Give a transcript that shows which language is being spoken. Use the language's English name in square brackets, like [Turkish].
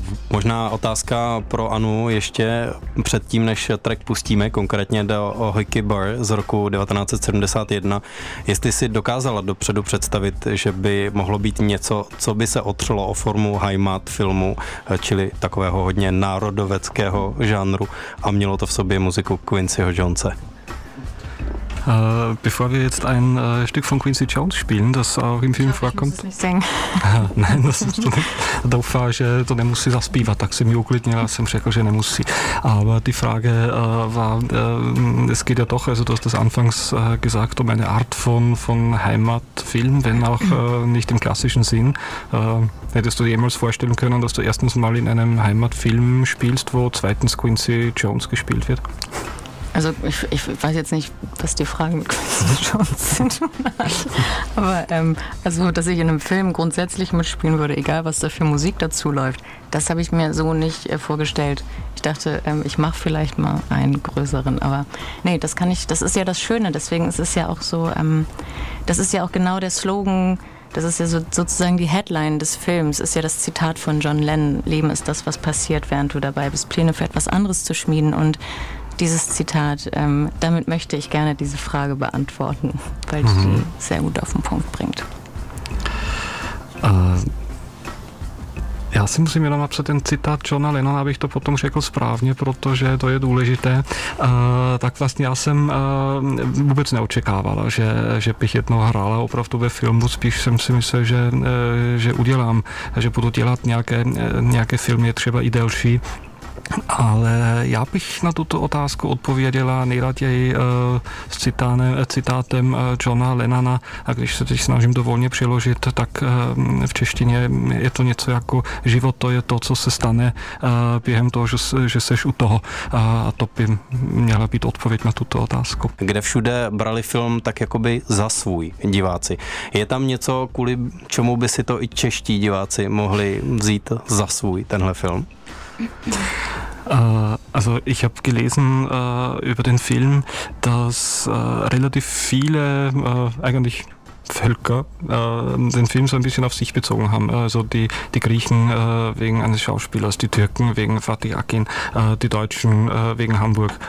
[Czech] Možná otázka pro Anu ještě předtím, než track pustíme, konkrétně do Hickey Bar z roku 1971. Jestli si dokázala dopředu představit, že by mohlo být něco, co by se otřelo o formu Heimat filmu, čili takového hodně národoveckého žánru a mělo to v sobě muziku Quincyho Jonese. [German] Bevor wir jetzt ein Stück von Quincy Jones spielen, das auch im Film vorkommt. Nein, [Czech] das ist doofá, že to nemusí zaspívat, tak jsem ji uklidnil, já jsem řekl, že nemusí. [German] Aber die Frage war, es geht ja doch, also du hast das anfangs gesagt, um eine Art von Heimatfilm, wenn auch nicht im klassischen Sinn. Hättest du dir jemals vorstellen können, dass du erstens mal in einem Heimatfilm spielst, wo zweitens Quincy Jones gespielt wird? Also ich weiß jetzt nicht, was die Fragen mit Quincy Jones sind. Aber also dass ich in einem Film grundsätzlich mitspielen würde, egal was da für Musik dazu läuft, das habe ich mir so nicht vorgestellt. Ich dachte, ich mache vielleicht mal einen größeren, aber nee, das kann ich, das ist ja das Schöne, deswegen ist es ja auch so, das ist ja auch genau der Slogan, das ist ja so, sozusagen die Headline des Films, ist ja das Zitat von John Lennon: Leben ist das, was passiert, während du dabei bist, Pläne für etwas anderes zu schmieden. Und dieses Zitat, damit möchte ich gerne diese Frage beantworten, weil die sehr gut auf den Punkt bringt. [Czech] Já si musím jenom napsat ten citát Johna Lennona, abych to potom řekl správně, protože to je důležité. Tak vlastně já jsem vůbec neočekával, že bych jednou hrál opravdu ve filmu. Spíš jsem si myslel, že udělám, že budu dělat nějaké filmy, třeba i delší. Ale já bych na tuto otázku odpověděla nejraději s citátem Johna Lennona, a když se teď snažím dovolně přeložit, tak v češtině je to něco jako život to je to, co se stane během toho, že seš u toho, a to by měla být odpověď na tuto otázku. Kde všude brali film tak jakoby za svůj, diváci? Je tam něco, kvůli čemu by si to i čeští diváci mohli vzít za svůj, tenhle film? [German] Also ich habe gelesen über den Film, dass relativ viele eigentlich Völker den Film so ein bisschen auf sich bezogen haben. Also die Griechen wegen eines Schauspielers, die Türken wegen Fatih Akin, die Deutschen wegen Hamburg.